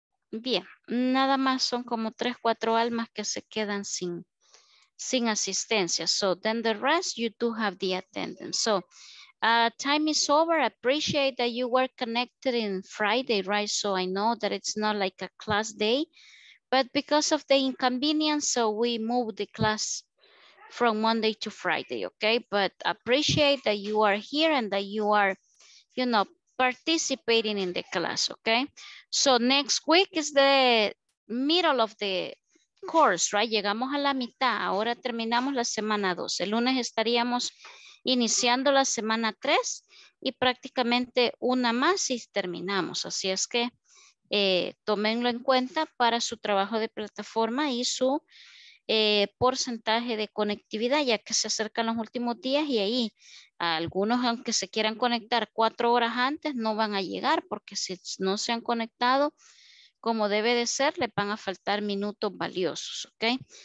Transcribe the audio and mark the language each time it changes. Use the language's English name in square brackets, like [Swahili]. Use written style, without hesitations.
[Spanish] Bien, nada más son como 3-4 almas que se quedan sin asistencia. [English] So then the rest, you do have the attendance. So time is over. Appreciate that you were connected in Friday, right? So I know that it's not like a class day, but because of the inconvenience, so we moved the class from Monday to Friday, okay? But appreciate that you are here and that you are, you know, participating in the class, okay? So next week is the middle of the course, right? [Spanish] Llegamos a la mitad, ahora terminamos la semana 2. El lunes estaríamos iniciando la semana 3 y prácticamente una más y terminamos. Así es que tómenlo en cuenta para su trabajo de plataforma y su porcentaje de conectividad, ya que se acercan los últimos días y ahí algunos, aunque se quieran conectar 4 horas antes, no van a llegar, porque si no se han conectado como debe de ser, le van a faltar minutos valiosos, ok.